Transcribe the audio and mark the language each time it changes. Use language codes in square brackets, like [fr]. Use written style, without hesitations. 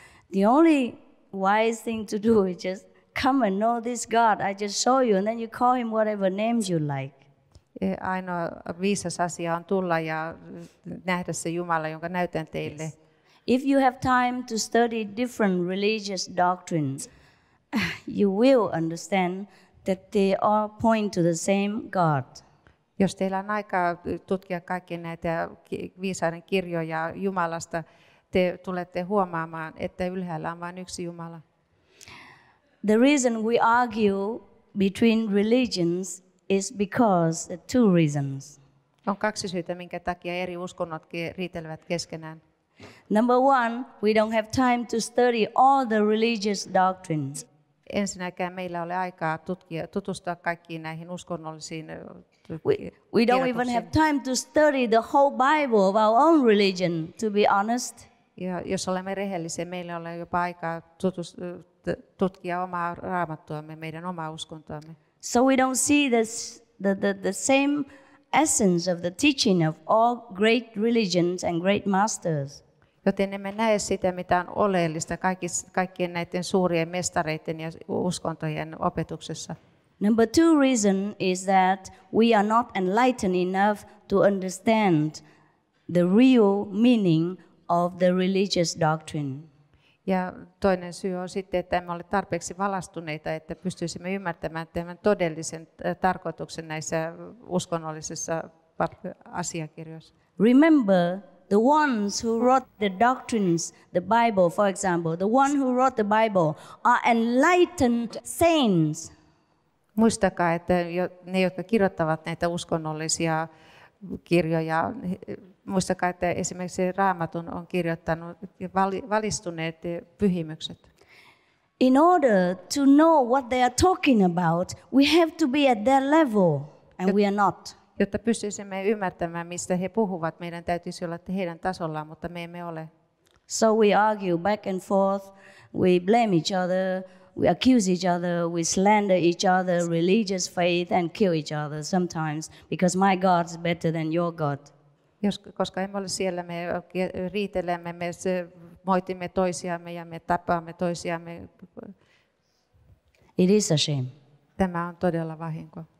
[en] The only wise thing to do is just come and know this God. I just show you and then you call him whatever names you like. [fi] Ainoa viisas asia on tulla ja nähdä se Jumala, jonka näytän teille. [en] If you have time to study different religious doctrines, you will understand that they all point to the same God. [fi] Jos teillä on aikaa tutkia kaikki näitä viisaiden kirjoja Jumalasta, te tulette huomaamaan, että ylhäällä on vain yksi Jumala. [en] The reason we argue between religions is because two reasons. [fi] On kaksi syytä, minkä takia eri uskonnot riitelevät keskenään. [en] Number one, we don't have time to study all the religious doctrines. [fi] Ensinnäkään meillä ei ole aikaa tutustua kaikkiin näihin uskonnollisiin. [en] We don't even have time to study the whole Bible of our own religion, to be honest. [fi] Ja jos olemme rehellisiä, meillä on jopa aikaa tutkia omaa raamattuamme, meidän omaa uskontoamme. [en] So we don't see this, the same essence of the teaching of all great religions and great masters. [fi] Joten emme näe sitä, mitä on oleellista kaikkien näiden suurien mestareiden ja uskontojen opetuksessa. [en] Number two reason is that we are not enlightened enough to understand the real meaning of the religious doctrine. [fi] Ja toinen syy on sitten, että emme ole tarpeeksi valastuneita, että pystyisimme ymmärtämään tämän todellisen tarkoituksen näissä uskonnollisissa asiakirjoissa. [en] Remember, the ones who wrote the doctrines, the Bible, for example, the one who wrote the Bible are enlightened saints. [fi] Muistakaa, että ne, jotka kirjoittavat näitä uskonnollisia kirjoja, muistakaa, että esimerkiksi Raamatun on kirjoittanut valistuneet pyhimykset. [en] In order to know what they are talking about, we have to be at their level, and we are not. [fi] Jotta pystyisimme ymmärtämään, mistä he puhuvat, meidän täytyisi olla heidän tasollaan, mutta me emme ole. [en] So we argue back and forth, we blame each other, we accuse each other, we slander each other, religious faith, and kill each other sometimes, because my God is better than your God. [fi] Koska emme ole siellä, me riitelemme, me moitimme toisiamme ja me tapaamme toisiamme. [en] It is a shame. [fi] Tämä on todella vahinko.